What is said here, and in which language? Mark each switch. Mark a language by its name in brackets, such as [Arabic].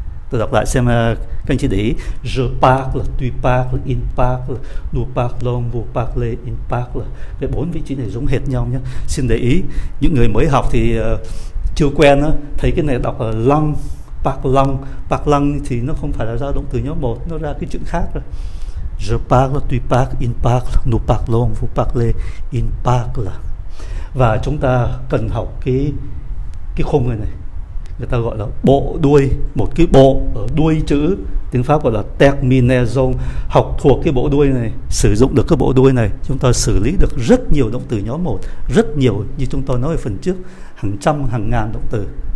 [Vietnamese] Tôi đọc lại xem các anh chị để ý: [French] je parle, tu parles, il parle, nous parlons, vous parlez, il parle. [Vietnamese] Cái bốn vị trí này giống hệt nhau nhé. Xin để ý, những người mới học thì chưa quen á, thấy cái này đọc là lăng, parlons, parlons thì nó không phải là ra động từ nhóm 1, nó ra cái chữ khác rồi. [French] Je parle, tu parles, il parle, nous parlons, vous parlez, il parle. [Vietnamese] Và chúng ta cần học cái khung này này. Người ta gọi là bộ đuôi, một cái bộ ở đuôi chữ, tiếng Pháp gọi là terminaison. Học thuộc cái bộ đuôi này, sử dụng được cái bộ đuôi này, chúng ta xử lý được rất nhiều động từ nhóm 1, rất nhiều, như chúng tôi nói ở phần trước, hàng trăm, hàng ngàn động từ.